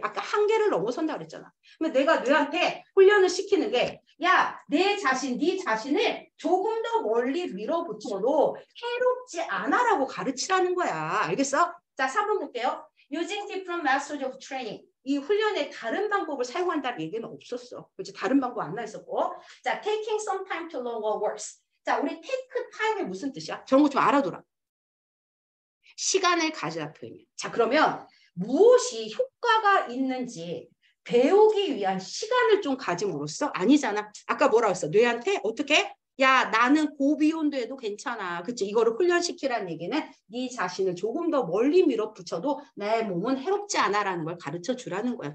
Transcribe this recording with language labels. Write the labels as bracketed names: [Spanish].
[Korean] 아까 한계를 넘어선다 그랬잖아. 근데 내가 뇌한테 훈련을 시키는 게 야, 내 자신, 네 자신을 조금 더 멀리 밀어붙여도 해롭지 않아라고 가르치라는 거야. 알겠어? 자, 3번 볼게요. [English] Using different methods of training. [Korean] 이 훈련에 다른 방법을 사용한다는 얘기는 없었어. 그치? 다른 방법 안 나있었고. [English] 자, taking some time to learn what works. [Korean] 자, 우리 take time이 무슨 뜻이야? 저런 거 좀 알아둬라. 시간을 가지라 표현이야. 자, 그러면 무엇이 효과가 있는지 배우기 위한 시간을 좀 가짐으로써 아니잖아. 아까 뭐라고 했어? 뇌한테 어떻게? 야, 나는 고비온도에도 괜찮아. 그치? 이거를 훈련시키라는 얘기는 네 자신을 조금 더 멀리 밀어붙여도 내 몸은 해롭지 않아라는 걸 가르쳐주라는 거야.